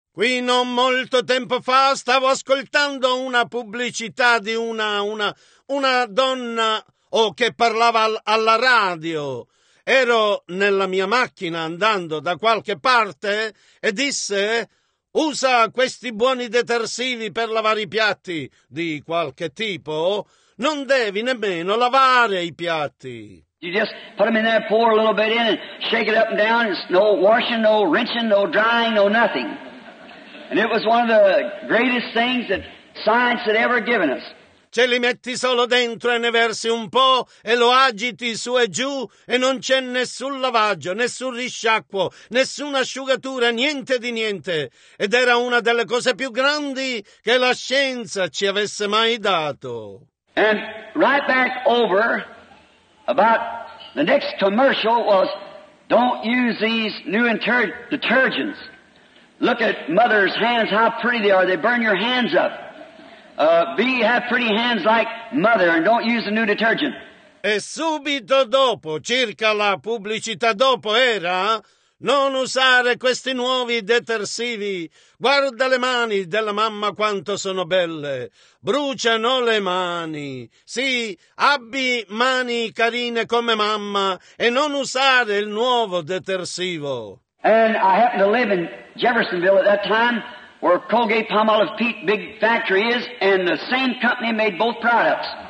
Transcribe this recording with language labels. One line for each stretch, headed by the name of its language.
Italian: Qui non molto tempo fa stavo ascoltando una pubblicità di una donna che parlava alla radio. Ero nella mia macchina andando da qualche parte e disse: usa questi buoni detersivi per lavare i piatti di qualche tipo. Non devi nemmeno lavare i piatti.
English: You just put them in there, pour a little bit in, and shake it up and down. It's no washing, no rinsing, no drying, no nothing. And it was one of the greatest things that science had ever given us.
Italian: Ce li metti solo dentro e ne versi un po' e lo agiti su e giù e non c'è nessun lavaggio, nessun risciacquo, nessuna asciugatura, niente di niente. Ed era una delle cose più grandi che la scienza ci avesse mai dato.
English: And right back over about the next commercial was don't use these new detergents. Look at mother's hands, how pretty they are. They burn your hands up. Have pretty hands like mother and don't use the new detergent.
Italian: E subito dopo, circa la pubblicità dopo, era non usare questi nuovi detersivi. Guarda le mani della mamma quanto sono belle. Bruciano le mani. Sì, abbi mani carine come mamma e non usare il nuovo detersivo.
English: And I happened to live in Jeffersonville at that time, where Colgate Palmolive Peat big factory is, and the same company made both products.